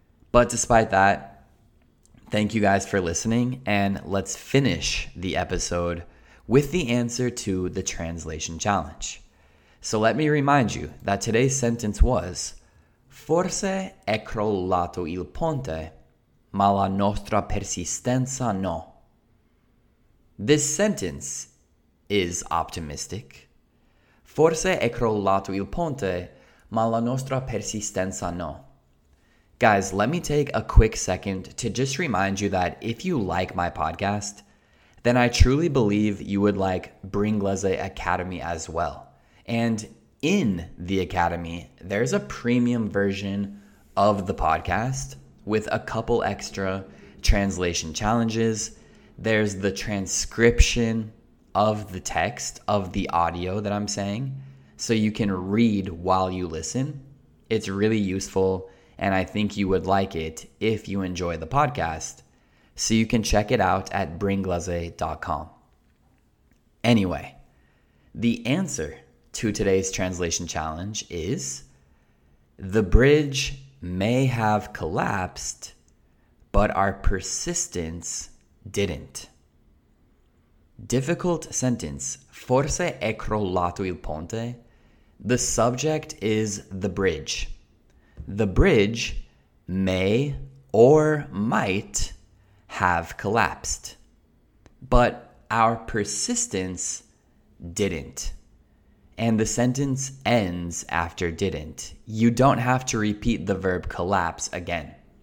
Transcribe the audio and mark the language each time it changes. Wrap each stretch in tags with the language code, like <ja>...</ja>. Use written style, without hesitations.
<en>But despite that, thank you guys for listening, and let's finish the episode with the answer to the translation challenge. So let me remind you that today's sentence was,</en> <it>forse è crollato il ponte, ma la nostra persistenza no.</it> <en>This sentence is optimistic.</en> <it>Forse è crollato il ponte, ma la nostra persistenza no.</it> <en>Guys, let me take a quick second to just remind you that if you like my podcast, then I truly believe you would like Bringlese Academy as well. And in the Academy, there's a premium version of the podcast with a couple extra translation challenges. There's the transcription of the text, of the audio that I'm saying, so you can read while you listen. It's really useful, and I think you would like it if you enjoy the podcast. So you can check it out at bringlese.com. Anyway, the answer to today's translation challenge is, the bridge may have collapsed, but our persistence didn't. Difficult sentence.</en> <it>Forse è crollato il ponte.</it> <en>The subject is the bridge. The bridge may or might have collapsed, but our persistence didn't. And the sentence ends after didn't. You don't have to repeat the verb collapse again.</en>